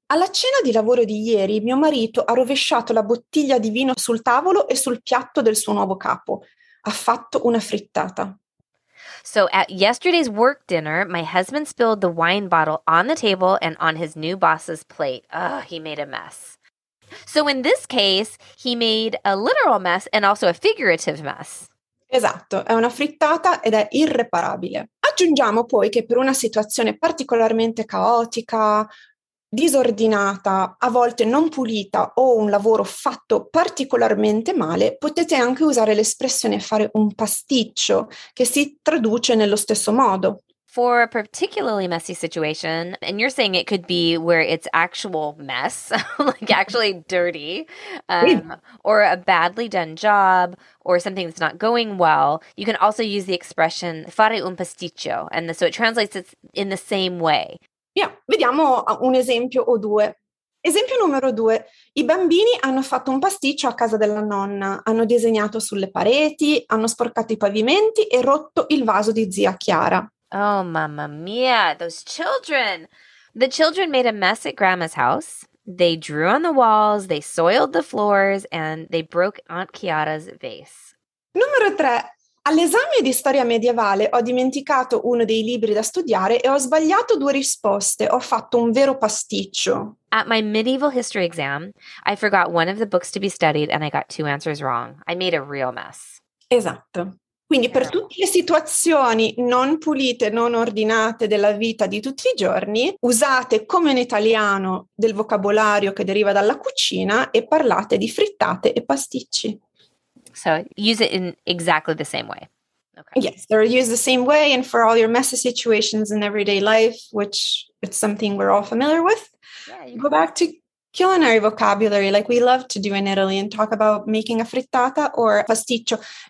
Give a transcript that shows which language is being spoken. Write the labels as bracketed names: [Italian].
[Italian] Alla cena di lavoro di ieri, mio marito ha rovesciato la bottiglia di vino sul tavolo e sul piatto del suo nuovo capo. Ha fatto una frittata. [English] So at yesterday's work dinner, my husband spilled the wine bottle on the table and on his new boss's plate. Ugh, he made a mess. So in this case, he made a literal mess and also a figurative mess. [Italian] Esatto, è una frittata ed è irreparabile. Aggiungiamo poi che per una situazione particolarmente caotica, disordinata, a volte non pulita o un lavoro fatto particolarmente male, potete anche usare l'espressione fare un pasticcio, che si traduce nello stesso modo. [English] For a particularly messy situation, and you're saying it could be where it's actual mess, like actually dirty, or a badly done job, or something that's not going well, you can also use the expression [Italian] fare un pasticcio, [English] and so it translates it in the same way. [Italian] Yeah, vediamo un esempio o due. Esempio numero due. I bambini hanno fatto un pasticcio a casa della nonna, hanno disegnato sulle pareti, hanno sporcato i pavimenti e rotto il vaso di zia Chiara. [English] Oh, mamma mia, those children. The children made a mess at grandma's house. They drew on the walls, they soiled the floors, and they broke Aunt Chiara's vase. [Italian] Numero tre. All'esame di storia medievale ho dimenticato uno dei libri da studiare e ho sbagliato due risposte. Ho fatto un vero pasticcio. [English] At my medieval history exam, I forgot one of the books to be studied and I got two answers wrong. I made a real mess. [Italian] Esatto. Quindi per tutte le situazioni non pulite, non ordinate della vita di tutti i giorni, usate come in italiano del vocabolario che deriva dalla cucina e parlate di frittate e pasticci. [English] So use it in exactly the same way. Okay. Yes, or use the same way and for all your messy situations in everyday life, which it's something we're all familiar with. Yeah, go back to culinary vocabulary, like we love to do in Italy, and talk about making a frittata or pasticcio.